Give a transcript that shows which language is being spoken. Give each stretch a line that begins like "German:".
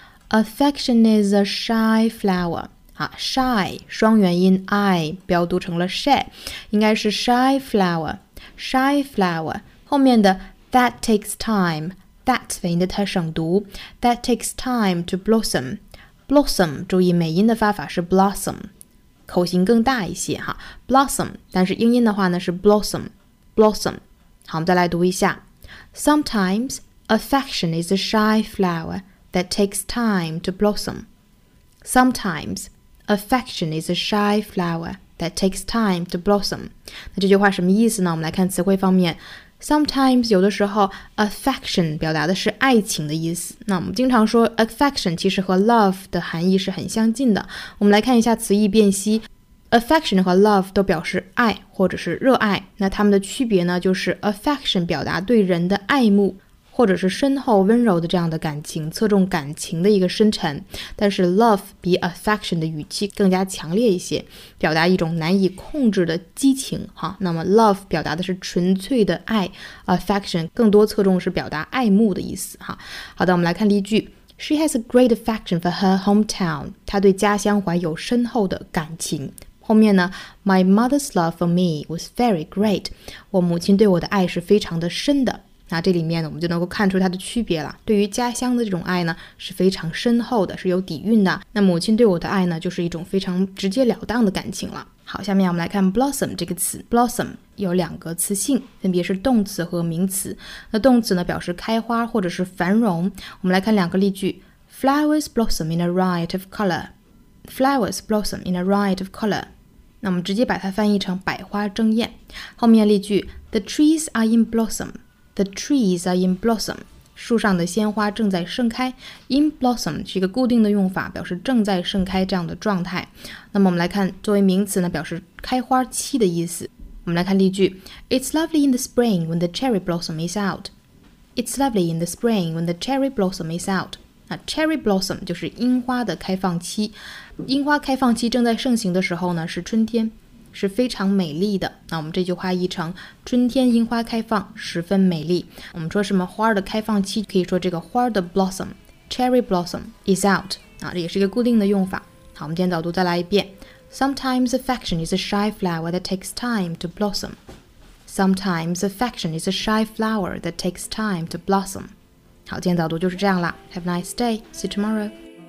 English: Affection is a shy flower、啊、shy
Chinese: 双元音 i 不要读成了
English: shy，
Chinese: 应该是
English: shy flower， shy flower
Chinese: 后面的
English: that takes time， that
Chinese: 的音的太省读，
English: that takes time to blossomblossom，
Chinese: 注意美音的发法是
English: blossom，
Chinese: 口型更大一些哈
English: blossom，
Chinese: 但是英音的话呢是
English: blossom， blossom。
Chinese: 好，我们再来读一下。
English: Sometimes affection is a shy flower that takes time to blossom. Sometimes affection is a shy flower that takes time to blossom.
Chinese: 那这句话什么意思呢？我们来看词汇方面。Sometimes 有的时候 affection 表达的是爱情的意思，那我们经常说 affection 其实和 love 的含义是很相近的。我们来看一下词义辨析， affection 和 love 都表示爱或者是热爱，那它们的区别呢就是 affection 表达对人的爱慕或者是深厚温柔的这样的感情，侧重感情的一个深沉，但是 love 比 affection 的语气更加强烈一些，表达一种难以控制的激情哈。那么 love 表达的是纯粹的爱， affection 更多侧重是表达爱慕的意思哈。好的，我们来看例句。
English: She has a great affection for her hometown.
Chinese: 她对家乡怀有深厚的感情。后面呢
English: My mother's love for me was very great.
Chinese: 我母亲对我的爱是非常的深的。那这里面呢我们就能够看出它的区别了，对于家乡的这种爱呢是非常深厚的，是有底蕴的，那母亲对我的爱呢就是一种非常直截了当的感情了。好，下面我们来看 blossom 这个词。blossom 有两个词性，分别是动词和名词。那动词呢表示开花或者是繁荣。我们来看两个例句。
English: Flowers blossom in a riot of color. Flowers blossom in a riot of color.
Chinese: 那我们直接把它翻译成百花争艳。后面例句。
English: The trees are in blossomThe trees are in blossom.
Chinese: 树上的鲜花正在盛开。 In blossom 是一个固定的用法，表示正在盛开这样的状态。那么我们来看，作为名词呢，表示开花期的意思。我们来看例句。
English: It's lovely in the spring when the cherry blossom is out. It's lovely in the spring when the cherry blossom is out.
Chinese: 那 cherry blossom 就是樱花的开放期。樱花开放期正在盛行的时候呢，是春天。是非常美丽的。那我们这句话译成春天樱花开放十分美丽，我们说什么花的开放期，可以说这个花的 blossom
English: cherry blossom is out、
Chinese: 啊、这也是一个固定的用法。好，我们今天早读再来一遍。
English: Sometimes affection is a shy flower that takes time to blossom. Sometimes affection is a shy flower that takes time to blossom.
Chinese: 好，今天早读就是这样啦。
English: Have a nice day. See you tomorrow.